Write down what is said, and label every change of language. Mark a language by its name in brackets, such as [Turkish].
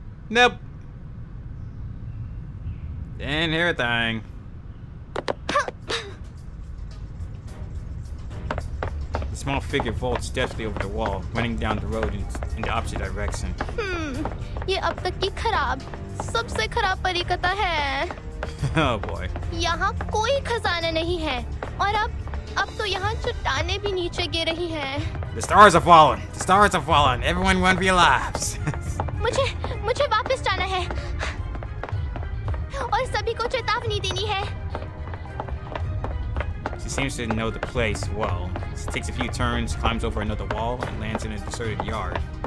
[English] Nope. Didn't hear a thing. The small figure vaults deftly over the wall, running down the road in the opposite direction. [Hindi] Ye ab tak ki kharab. सबसे खराब परिकथा है। [English] Oh boy. [Hindi] यहाँ कोई खजाना नहीं है, और अब तो यहाँ चट्टानें भी नीचे गिर रही हैं। [English] The stars have fallen. The stars have fallen. Everyone run for your lives. [Hindi] मुझे वापस जाना है, और सभी को चेतावनी देनी है। [English] She seems to know the place well. She takes a few turns, climbs over another wall, and lands in a deserted yard.